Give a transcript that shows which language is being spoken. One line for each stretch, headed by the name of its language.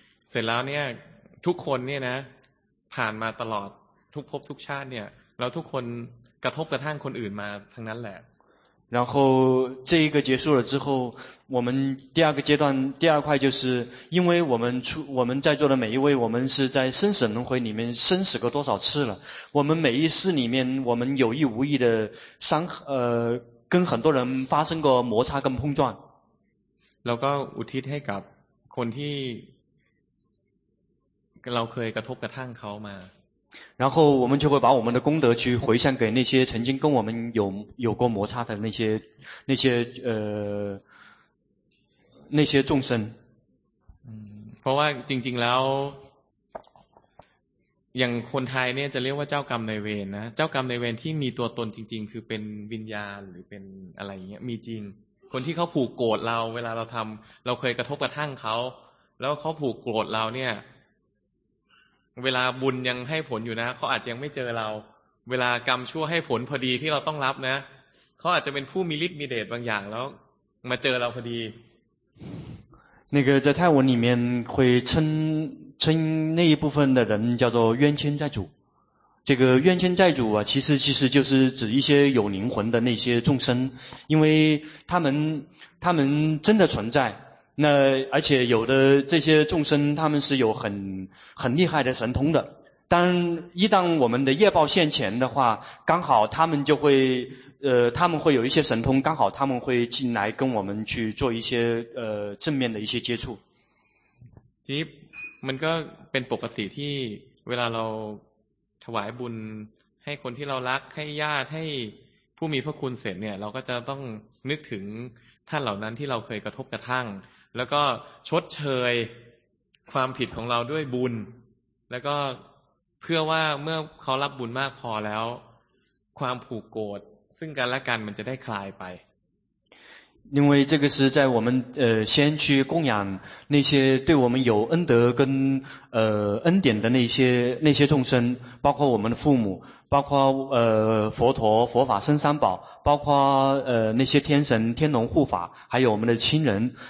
Thai: เสร็จแล้วเนี่ยทุกคนเนี่ยนะผ่านมาตลอดทุกภพทุกชาติเนี่ยเราทุกคนกระทบกระทั่งคนอื่นมาทั้งนั้นแหละ
Chinese: 然后这一个结束了之后我们第二个阶段第二块就是因为我们在座的每一位我们是在生死轮回里面生死个多少次了我们每一世里面我们有意无意的伤跟很多人发生过摩擦跟碰撞
Thai: แล้วก็อุทิศให้กับคนที่เราเคยกระทบกระทั่งเขามา
Chinese: 然后我们就会把我们的功德去回向给那些曾经跟我们有过摩擦的那些众生。
Thai: เพราะว่าจริงๆแล้วอย่างคนไทยเนี่ยจะเรียกว่าเจ้ากรรมในเวรนะเจ้ากรรมในเวรที่มีตัวตนจริงๆคือเป็นวิญญาณหรือเป็นอะไรเงี้ยมีจริงคนที่เขาผูกโกรธเราเวลาเราทำเราเคยกระทบกระทั่งเขาแล้วเขาผูกโกรธเราเนี่ยเวลาบุญยังให้ผลอยู่นะเขาอาจจะยังไม่เจอเราเวลากรรมชั่วให้ผลพอดีที่เราต้องรับนะเขาอาจจะเป็นผู้มีฤทธิ์มีเดชบางอย่างแล้วมาเจอเราพอดี
Chinese: 那个在泰文里面会称那一部分的人叫做冤亲债主，这个愿亲债主啊，其实就是指一些有灵魂的那些众生，因为他们真的存在。那而且有的这些众生，他们是有很厉害的神通的。当一旦我们的业报现前的话，刚好他们就会他们会有一些神通，刚好他们会进来跟我们去做一些正面的一些接触。
Thai: ที่มันก็เป็นปกติที่เวลาเราถวายบุญให้คนที่เรารักให้ญาติให้ผู้มีพระคุณเสร็จเนี่ยเราก็จะต้องนึกถึงท่านเหล่านั้นที่เราเคยกระทบกระทั่งแล้วก็ชดเชยความผิดของเราด้วยบุญแล้วก็เพื่อว่าเมื่อเขารับบุญมากพอแล้วความผูกโกรธซึ่งกันและกันมันจะได้คลายไป
Chinese: 因为这个是在我们先去供养那些对我们有恩德跟恩典的那些众生，包括我们的父母，包括佛陀、佛法僧三宝，包括那些天神、天龙护法，还有我们的亲人。